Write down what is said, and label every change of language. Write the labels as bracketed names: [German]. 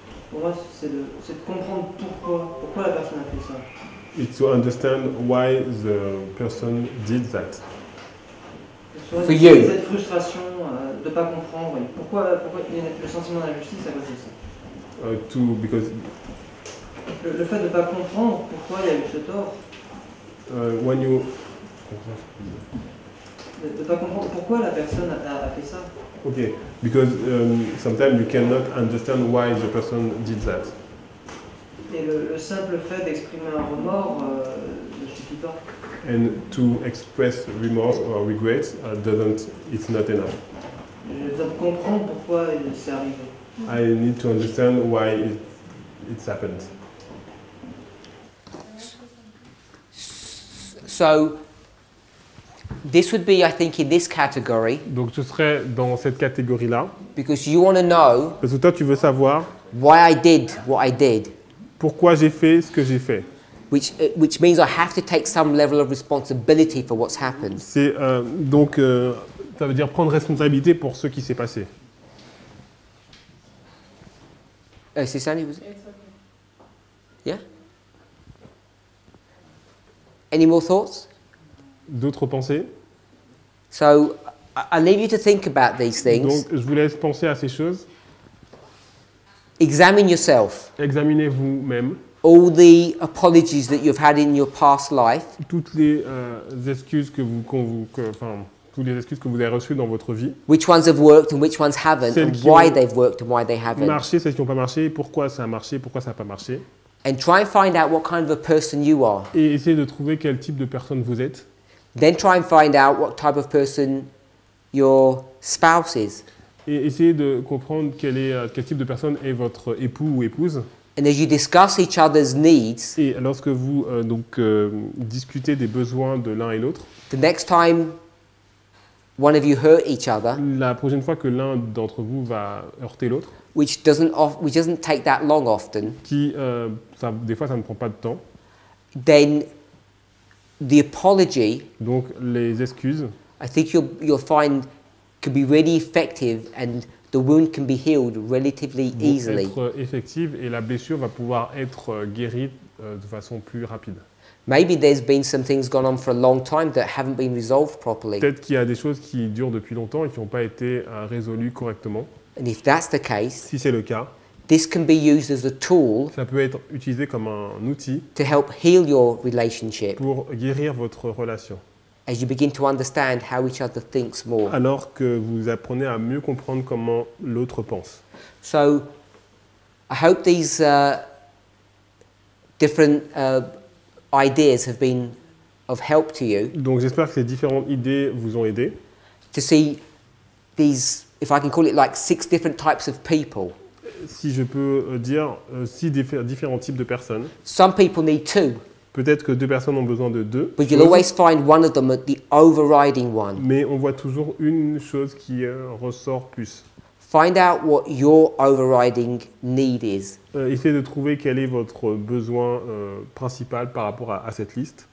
[French] Pour moi, c'est de comprendre pourquoi la personne a fait ça. [English] It's to understand why the person did that. For you. [French] Cette frustration de pas comprendre, oui. Pourquoi le sentiment d'injustice à cause de ça. [English] To because. [French] Le fait de pas comprendre pourquoi il y a eu ce tort. [English] When you. [French] de pas comprendre pourquoi la personne a fait ça. [English] Okay, because sometimes you cannot understand why the person did that. [French] Et le simple fait d'exprimer un remords ne suffit pas. [English] And to express remorse or regret doesn't, it's not enough. [French] Je dois comprendre pourquoi il s'est arrivé. [English] I need to understand why it's happened. So this would be, I think, in this category. [French] Donc ce serait dans cette catégorie-là. [English] Because you want to know. [French] Parce que toi, tu veux savoir. [English] Why I did what I did. [French] Pourquoi j'ai fait ce que j'ai fait. [English] Which means I have to take some level of responsibility for what's happened. [French] C'est donc ça veut dire prendre responsabilité pour ce qui s'est passé. C'est ça, vous. Yeah. [English] Any more thoughts? [French] D'autres pensées? [English] So, I leave you to think about these things. [French] Donc, je vous laisse penser à ces choses. [English] Examine yourself. [French] Examinez-vous-même. [English] All the apologies that you've had in your past life. [French] Toutes les excuses que vous, toutes les excuses que vous avez reçues dans votre vie. [English] Which ones have worked and which ones haven't, [French] celles [English] and why they've worked and why they haven't. [French] Marché, celles qui n'ont pas marché, pourquoi ça a marché, pourquoi ça n'a pas marché. [English] And try and find out what kind of a person you are. [French] Et essayez de trouver quel type de personne vous êtes. [English] Then try and find out what type of person your spouse is. [French] Et essayez de comprendre quel type de personne est votre époux ou épouse. [English] And as you discuss each other's needs. [French] Et lorsque vous discutez des besoins de l'un et l'autre. [English] The next time one of you hurt each other. [French] La prochaine fois que l'un d'entre vous va heurter l'autre. [English] Which doesn't take that long often. [French] Qui ça, des fois ça ne prend pas de temps. [English] Then the apology. [French] Donc les excuses. [English] I think you'll find could be really effective and the wound can be healed relatively easily. [French] Être effective et la blessure va pouvoir être guérie de façon plus rapide. [English] Maybe there's been some things gone on for a long time that haven't been resolved properly. [French] Peut-être qu'il y a des choses qui durent depuis longtemps et qui n'ont pas été résolues correctement. [English] And if that's the case, [French] si c'est le cas, [English] this can be used as a tool, [French] ça peut être utilisé comme un outil, [English] to help heal your relationship, [French] pour guérir votre relation, [English] as you begin to understand how each other thinks more, [French] alors que vous apprenez à mieux comprendre comment l'autre pense. [English] So, I hope these different ideas have been of help to you. [French] Donc j'espère que ces différentes idées vous ont aidé. [English] To see these. If I can call it like six different types of people. [French] Si je peux dire six différents types de personnes. [English] Some people need two. [French] Peut-être que deux personnes ont besoin de deux. [English] But you'll always find one of them at the overriding one. [French] Mais on voit toujours une chose qui ressort plus. [English] Find out what your overriding need is. [French] Essayez de trouver quel est votre besoin principal par rapport à cette liste.